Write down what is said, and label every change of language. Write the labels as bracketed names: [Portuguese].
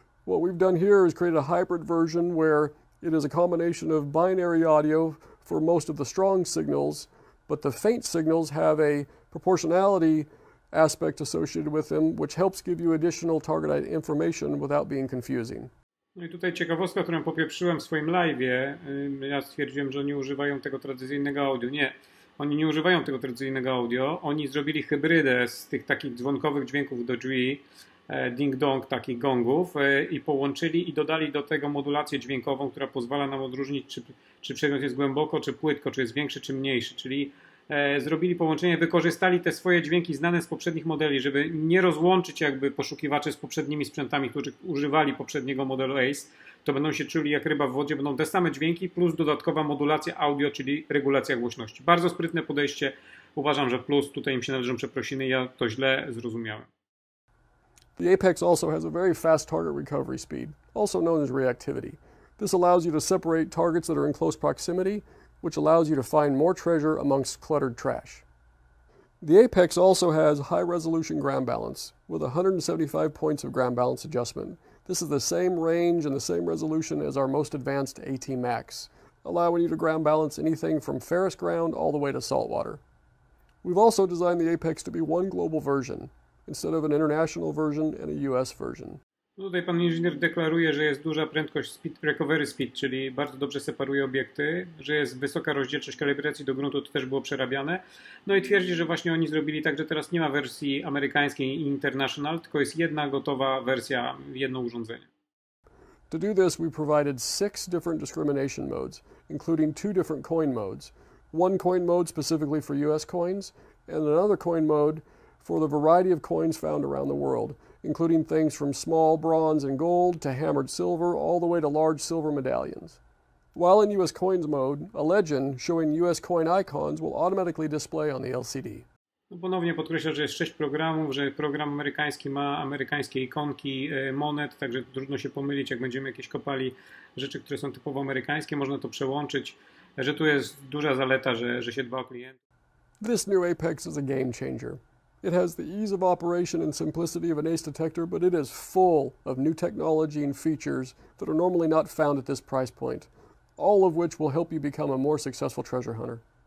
[English] What we've done here is created a hybrid version where it is a combination of binary audio for most of the strong signals, but the faint signals have a proportionality aspect associated with them, which helps give you additional target ID information without being confusing. [Polish] No i tutaj ciekawostka, którą popieprzyłem w swoim live'ie, ja stwierdziłem, że oni używają tego tradycyjnego audio. Nie, oni nie używają tego tradycyjnego audio, oni zrobili hybrydę z tych takich dzwonkowych dźwięków do drzwi, ding-dong, takich gongów i połączyli i dodali do tego modulację dźwiękową, która pozwala nam odróżnić, czy przedmiot jest głęboko, czy płytko, czy jest większy, czy mniejszy, czyli zrobili połączenie, wykorzystali te swoje dźwięki znane z poprzednich modeli, żeby nie rozłączyć jakby poszukiwaczy z poprzednimi sprzętami, którzy używali poprzedniego modelu Ace, to będą się czuli jak ryba w wodzie, będą te same dźwięki plus dodatkowa modulacja audio, czyli regulacja głośności. Bardzo sprytne podejście, uważam, że plus, tutaj im się należą przeprosiny, ja to źle zrozumiałem. [English] The Apex also has a very fast target recovery speed, also known as reactivity. This allows you to separate targets that are in close proximity, which allows you to find more treasure amongst cluttered trash. The Apex also has high resolution ground balance with 175 points of ground balance adjustment. This is the same range and the same resolution as our most advanced AT Max, allowing you to ground balance anything from ferrous ground all the way to saltwater. We've also designed the Apex to be one global version, instead of an international version and a US version. [Polish] No tutaj pan inżynier deklaruje, że jest duża prędkość speed, recovery speed, czyli bardzo dobrze separuje obiekty, że jest wysoka rozdzielczość kalibracji do gruntu, to też było przerabiane. No i twierdzi, że właśnie oni zrobili tak, że teraz nie ma wersji amerykańskiej i international, tylko jest jedna gotowa wersja, jedno urządzenie. [English] To do this we provided six different discrimination modes, including two different coin modes. One coin mode specifically for US coins and another coin mode for the variety of coins found around the world, including things from small bronze and gold to hammered silver, all the way to large silver medallions. While in US coins mode, a legend showing US coin icons will automatically display on the LCD. [Polish] No ponownie podkreślę, że jest sześć programów, że program amerykański ma amerykańskie ikonki monet, także trudno się pomylić, jak będziemy jakieś kopali rzeczy, które są typowo amerykańskie, można to przełączyć, że tu jest duża zaleta, że się dba o klientów. [English] This new Apex is a game changer. It has the ease of operation and simplicity of an ACE detector, but it is full of new technology and features that are normally not found at this price point, all of which will help you become a more successful treasure hunter.